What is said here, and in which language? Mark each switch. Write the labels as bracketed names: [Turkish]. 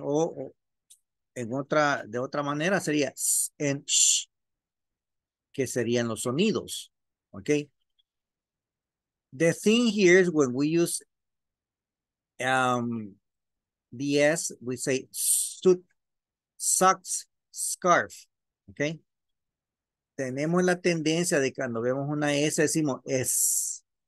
[Spanish] O, en otra, de otra manera sería S-N-S-H, que serían los sonidos. [English] Okay. The thing here is when we use the S, we say suit, socks, scarf. Okay. [Spanish] Tenemos la tendencia de cuando vemos una S, decimos S.